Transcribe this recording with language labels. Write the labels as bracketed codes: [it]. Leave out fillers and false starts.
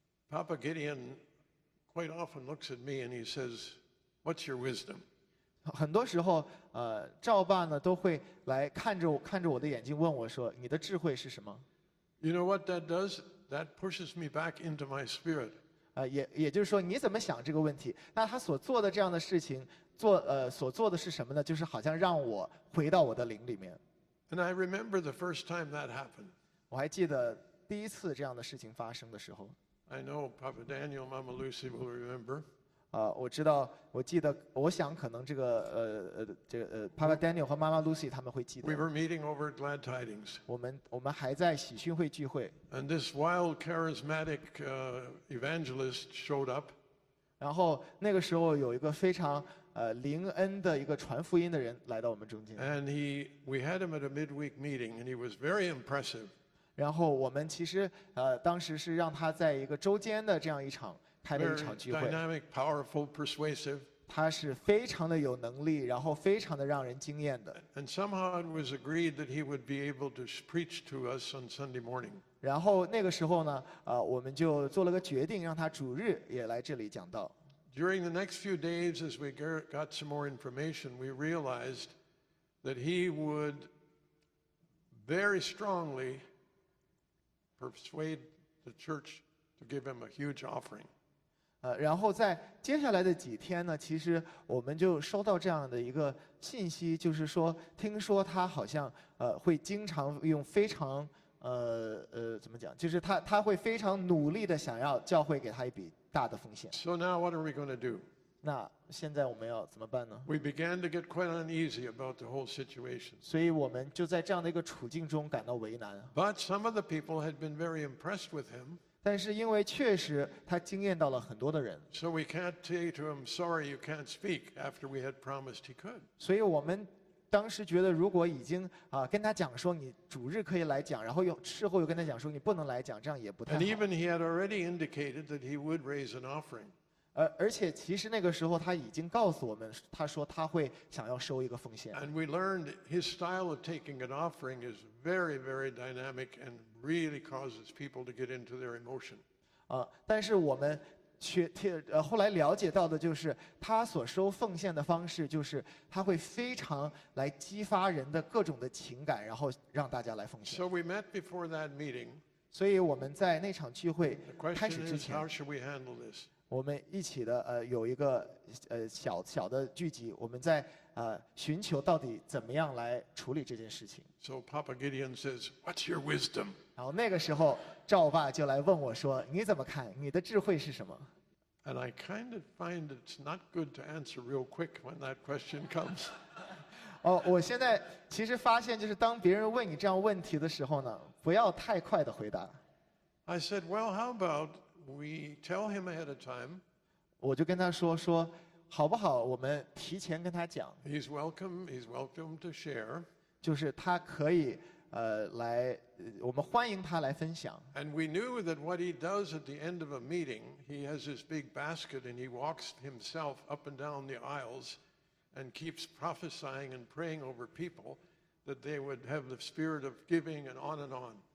[en] Papa Gideon quite often looks at me and he says, "What's your wisdom?" [zh] 很多时候，赵爸呢都会来看着我的眼睛，问我说，你的智慧是什么 [en] ？You know what that does? That pushes me back into my spirit. [zh] 也就是说，你怎么想这个问题？那他所做的这样的事情，所做的是什么呢？就是好像让我回到我的灵里面。 [en] And I remember the first time that happened. [zh] 我还记得第一次这样的事情发生的时候。 [en] I know Papa Daniel, Mama Lucy will remember. [zh] 我知道，我记得，我想可能Papa Daniel 和 Mama Lucy 他们会记得。 [en] We were meeting over Glad Tidings. [zh] 我们还在喜讯会聚会。 [en] And this wild, charismatic evangelist showed up. [zh] 然后那个时候有一个非常灵恩的一个传福音的人来到我们中间。 [en] And we had him at a midweek meeting, and he was very impressive. [zh] 然后我们其实当时是让他在一个周间的这样一场。 [en] Very dynamic, powerful, persuasive. [zh] 他是非常的有能力，然后非常的让人惊艳的。 [en] And somehow it was agreed that he would be able to preach to us on Sunday morning. [zh] 然后那个时候呢，我们就做了个决定，让他主日也来这里讲道。 [en] During the next few days, as we got some more information, we realized that he would very strongly persuade the church to give him a huge offering. [zh] 然后在接下来的几天呢，其实我们就收到这样的一个信息，就是说，听说他好像会经常用非常怎么讲，就是他会非常努力的想要教会给他一笔大的奉献。 [en] So now what are we going to do? [zh] 那现在我们要怎么办呢？ [en] We began to get quite uneasy about the whole situation. [zh] 所以我们就在这样的一个处境中感到为难。 [en] But some of the people had been very impressed with him. [zh] 但是因为确实他惊艳到了很多的人。 [en] So we can't say to him, sorry, you can't speak after we had promised he could. [zh] 所以我们当时觉得如果已经、啊、跟他讲说你主日可以来讲然后又事后又跟他讲说你不能来讲这样也不太好 [en] And even he had already indicated that he would raise an offering [zh] 而且其实那个时候他已经告诉我们他说他会想要收一个奉献 [en] And we learned his style of taking an offering is very very dynamic and really causes people to get into their emotion [zh] 但是我们后来了解到的就是他所收奉献的方式就是他会非常来激发人的各种的情感然后让大家来奉献 [en] So we met before that meeting [zh] 所以我们在那场聚会开始之前 [en] How should we handle this? [zh] 我们一起的有一个小小的聚集我们在寻求到底怎么样来处理这件事情 [en] So Papa Gideon says What's your wisdom? [zh] 然后那个时候赵爸就来问我说你怎么看你的智慧是什么 [en] And I kind of find it's not good to answer real quick when that question comes [zh] 我现在其实发现就是当别人问你这样问题的时候呢不要太快的回答 [en] I said well how about we tell him ahead of time [zh] 我就跟他说说好不好我们提前跟他讲 [en] He's welcome to share [zh] 就是他可以来我们欢迎他来分享 [en] And we knew that what he does at the end of a meeting he has this big basket and he walks himself up and down the aisles and keeps prophesying and praying over people that they would have the spirit of giving and on and on